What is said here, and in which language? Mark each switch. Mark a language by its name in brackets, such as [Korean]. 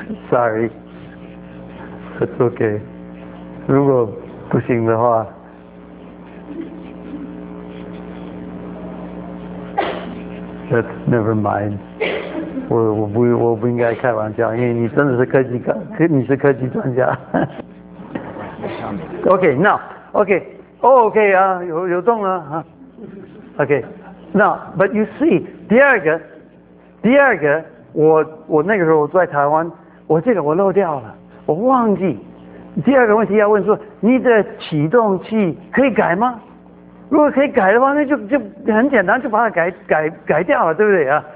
[English] Sorry, it's OK. [Chinese] 如果不行的话， [English] That's never mind. [Chinese] 我不应该开玩笑，因为你真的是科技专家。 okay, now, okay, oh, okay, 啊，有动了啊。 [English] Okay, now, but you see, [Chinese] 第二个，我那个时候在台湾，我这个我漏掉了，我忘记。第二个问题要问说，你的启动器可以改吗？如果可以改的话，那就很简单，就把它改掉了，对不对啊？